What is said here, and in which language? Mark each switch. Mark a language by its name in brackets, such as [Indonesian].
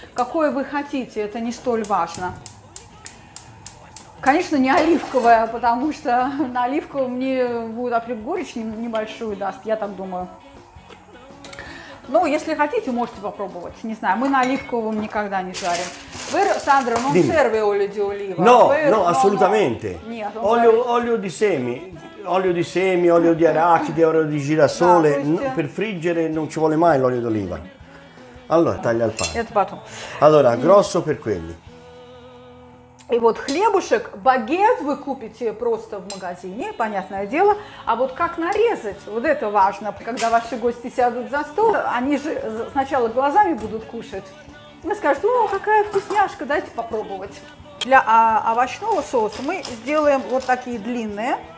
[Russian] Какое вы хотите, это не столь важно. Конечно, не оливковое, потому что на оливковое мне будет горечь небольшую даст, я так думаю. Ну, если хотите, можете попробовать. Не знаю, мы на оливковом никогда не жарим. [Italian] Сандро, non serve olio di oliva. No, no, assolutamente. Olio di semi, olio di arachide, olio di girasole. Per friggere non ci vuole mai l'olio d'oliva. Allora, taglia il pane. Allora, grosso per quelli. [Russian] E вот хлебушек, багет вы купите просто в магазине, понятное дело. А вот как нарезать, вот это важно, когда ваши гости сядут за стол, они же сначала глазами будут кушать. Мы скажем, о, какая вкусняшка, дайте попробовать. Для овощного соуса мы сделаем вот такие длинные.